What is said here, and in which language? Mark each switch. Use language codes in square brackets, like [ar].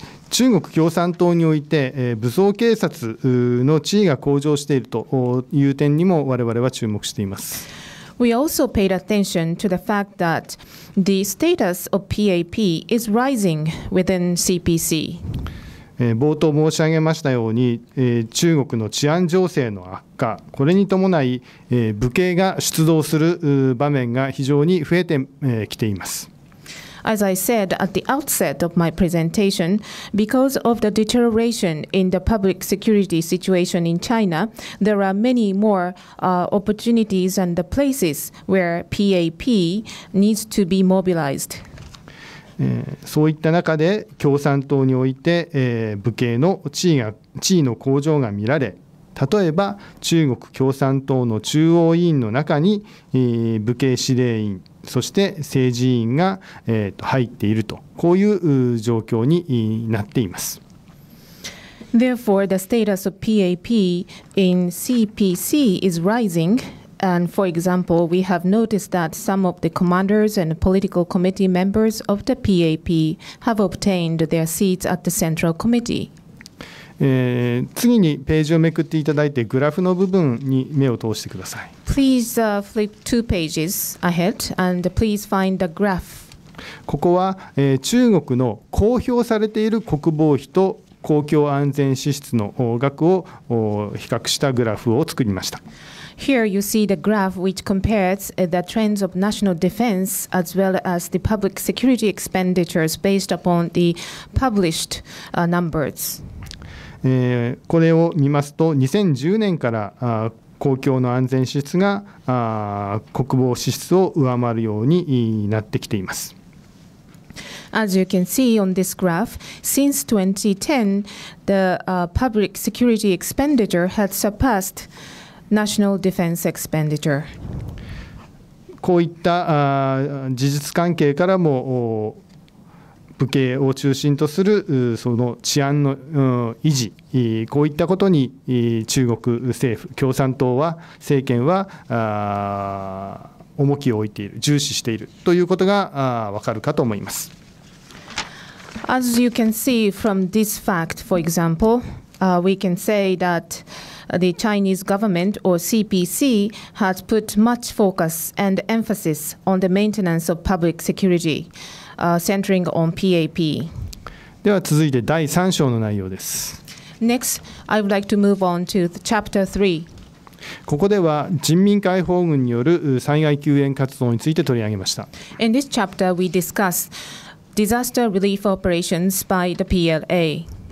[ja] 中国共産党において武装警察の地位が向上しているという点にも我々は注目しています。 [en] We also paid attention to the fact that the status of PAP is rising within CPC. [ja] 冒頭申し上げましたように、中国の治安情勢の悪化、これに伴い武警が出動する場面が非常に増えてきています。 [en] As I said at the outset of my presentation, because of the deterioration in the public security situation in China, there are many more opportunities and the places where PAP needs to be mobilized. [ja] そういった中で共産党において武警の地位の向上が見られ、例えば中国共産党の中央委員の中に武警司令員そして政治委員が入っていると、こういう状況になっています。 [en] Therefore the status of PAP in CPC is rising, and for example we have noticed that some of the commanders and political committee members of the PAP have obtained their seats at the central committee. [ja] 次にページをめくっていただいてグラフの部分に目を通してください。 [en] Please flip two pages ahead and please find the graph. [ja] ここは中国の公表されている国防費と公共安全支出の額を比較したグラフを作りました。 [en] Here you see the graph which compares the trends of national defense as well as the public security expenditures based upon the published numbers. [ja] これを見ますと2010年から公共の安全支出が国防支出を上回るようになってきています。 [en] As you can see on this graph, since 2010 the public security expenditure had surpassed national defense expenditure. [ja] こういった事実関係からも武警を中心とするその治安の維持、こういったことに中国政府、共産党は、政権は重きを置いている、重視しているということが分かるかと思います。 [en] As you can see from this fact, for example, we can say that the Chinese government or CPC has put much focus and emphasis on the maintenance of public security. Centering on PAP. [ja] では続いて第3章の内容です。 [en] Next, I would like to move on to chapter 3. [ja] ここでは人民解放軍による災害救援活動について取り上げました。 [en] In this chapter, we discuss disaster relief operations by the PLA.